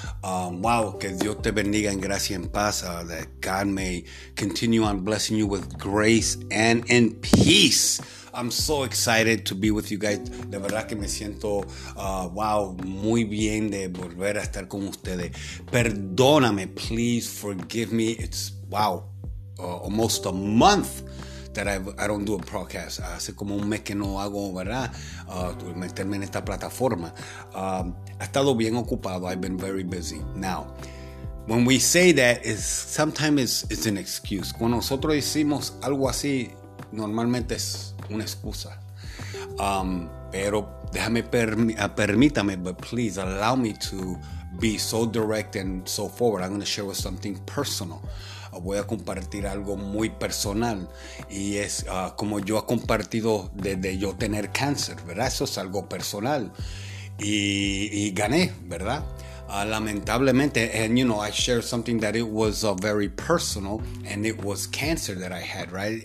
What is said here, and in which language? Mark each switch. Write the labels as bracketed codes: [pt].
[es] Wow, que Dios te bendiga en gracia y en paz. [en] That God may continue on blessing you with grace and in peace. I'm so excited to be with you guys. [es] De verdad que me siento, muy bien de volver a estar con ustedes. Perdóname, [en] please forgive me. It's, almost a month that I don't do a podcast. [es] Hace como un mes que no hago, ¿verdad? Meterme en esta plataforma. Ha estado bien ocupado. [en] I've been very busy. Now, when we say that, sometimes it's an excuse. [es] Cuando nosotros decimos algo así, normalmente es una excusa. Pero déjame, permítame, [en] but please allow me to be so direct and so forward. I'm going to share with something personal. [es] Voy a compartir algo muy personal y es como yo he compartido desde yo tener cáncer, ¿verdad? Eso es algo personal y gané, ¿verdad? Lamentablemente, [en] and you know, I shared something that it was very personal and it was cancer that I had, right?